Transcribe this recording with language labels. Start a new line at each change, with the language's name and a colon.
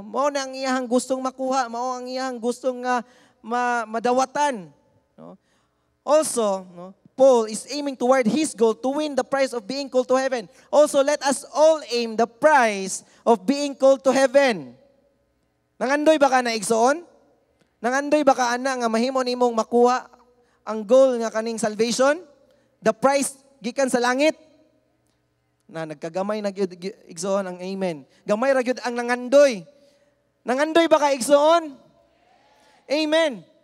Cebuano: Mao na ang iyang gustong makuha, mao ang iyang gustong nga madawatan, no?
English: Also, no, Paul is aiming toward his goal to win the prize of being called to heaven. Also, let us all aim the prize of being called to heaven.
Cebuano: Nangandoy ba ka na igsoon? Nangandoy ba ka ana nga mahimo nimong makuha ang goal nga kaning salvation?
English: The prize
Cebuano: gikan sa langit? Na nagkagamay na gyud igsoon ang amen. Gamay ra gyud ang nangandoy. Nangandoy ba ka igsoon? Amen.